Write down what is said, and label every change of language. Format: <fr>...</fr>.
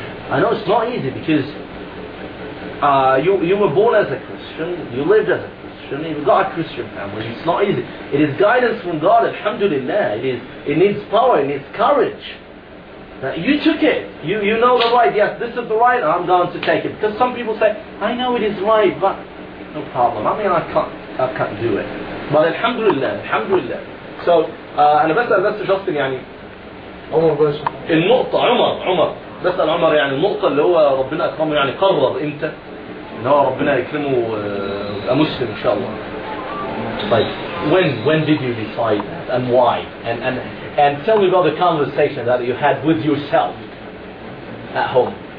<en>I know it's not easy because you were born as a Christian, you lived as a Christian, you've got a Christian family. It's not easy. It is guidance from God, alhamdulillah. It needs power, it needs courage. Now, you took it. You know the right. Yes, this is the right, I'm going to take it. Because some people say, I know it is right, but no problem. I mean, I can't do it. But alhamdulillah.</en> <ar>So, أنا بس Justin يعني عمر بس النقطة عمر بس عمر يعني النقطة اللي هو ربنا أكرمه يعني قرر إمتى إن هو ربنا يكرمه مسلم إن شاء الله.</ar> <en>طيب when did you decide that and why and tell me about the conversation that you had with yourself at home.</en>